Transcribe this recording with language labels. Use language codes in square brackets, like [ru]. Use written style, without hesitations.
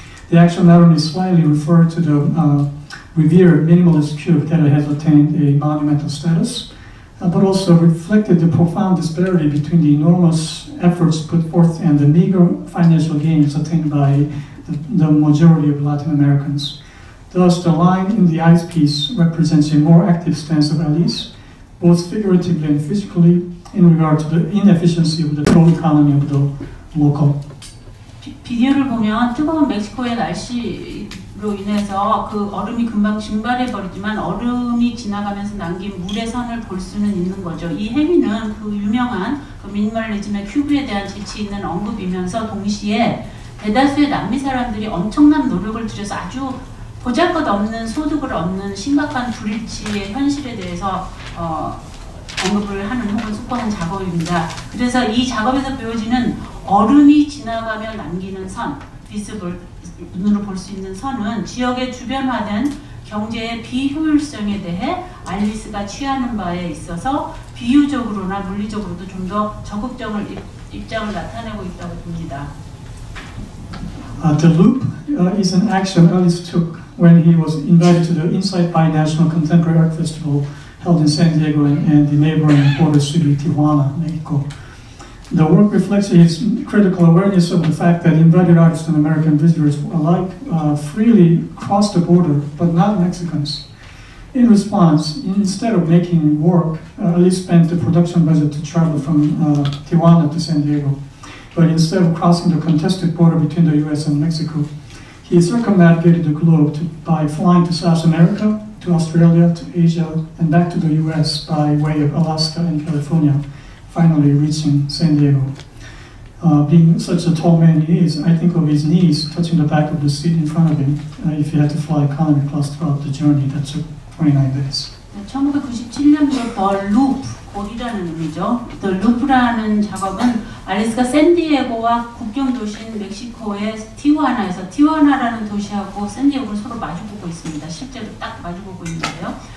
[en] The action not only slightly referred to the revered minimalist cube that has attained a monumental status, but also reflected the profound disparity between the enormous efforts put forth and the meager financial gains attained by the majority of Latin Americans. Thus, the line in the ice piece represents a more active stance of Alice, both figuratively and physically, in regard to the inefficiency of the gold economy of the local. [ko] 비디오를 보면 뜨거운 멕시코의 날씨로 인해서 그 얼음이 금방 증발해 버리지만 얼음이 지나가면서 남긴 물의 선을 볼 수는 있는 거죠. 이 행위는 그 유명한 그 미니멀리즘의 큐브에 대한 재치 있는 언급이면서 동시에 대다수의 남미 사람들이 엄청난 노력을 들여서 아주 보잘것없는 소득을 얻는 심각한 불일치의 현실에 대해서 언급을 하는 혹은 숙고하는 작업입니다. 그래서 이 작업에서 보여지는 얼음이 지나가며 남기는 선, 눈으로 볼 수 있는 선은 지역의 주변화된 경제의 비효율성에 대해 알리스가 취하는 바에 있어서 비유적으로나 물리적으로도 좀 더 적극적인 입장을 나타내고 있다고 봅니다. [en] The loop is an action Alice took when he was invited to the Insight Bi-National Contemporary Art Festival held in San Diego and the neighboring border city Tijuana, Mexico. The work reflects his critical awareness of the fact that embedded artists and American visitors alike freely cross the border, but not Mexicans. In response, instead of making work, Alice spent the production budget to travel from Tijuana to San Diego. But instead of crossing the contested border between the US and Mexico, he circumnavigated the globe by flying to South America, to Australia, to Asia, and back to the US by way of Alaska and California, finally reaching San Diego. Being such a tall man he is, I think of his knees touching the back of the seat in front of him if he had to fly economy class throughout the journey that took 29 days. [ko] 1997년부터 loop, 고리라는 의미죠. The loop라는 작업은 알래스카 샌디에고와 국경 도시인 멕시코의 티와나에서 티와나라는 도시하고 샌디에고를 서로 마주보고 있습니다. 실제로 딱 마주보고 있는데요.